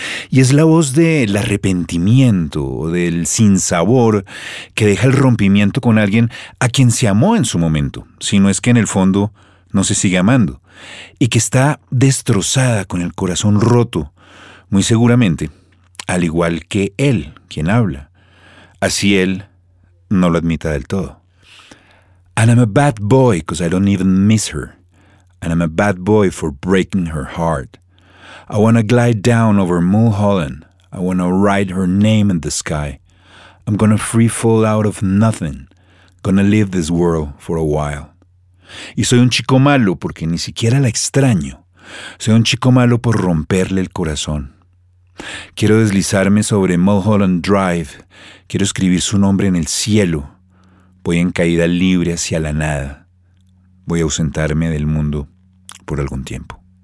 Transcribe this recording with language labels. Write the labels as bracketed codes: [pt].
[es] Y es la voz del arrepentimiento o del sinsabor que deja el rompimiento con alguien a quien se amó en su momento, si no es que en el fondo no se sigue amando, y que está destrozada con el corazón roto, muy seguramente, al igual que él, quien habla, así él no lo admita del todo. [en] And I'm a bad boy because I don't even miss her. And I'm a bad boy for breaking her heart. I wanna glide down over Mulholland. I wanna write her name in the sky. I'm gonna free fall out of nothing. Gonna leave this world for a while. [es] Y soy un chico malo porque ni siquiera la extraño. Soy un chico malo por romperle el corazón. Quiero deslizarme sobre Mulholland Drive. Quiero escribir su nombre en el cielo. Voy en caída libre hacia la nada. Voy a ausentarme del mundo por algún tiempo.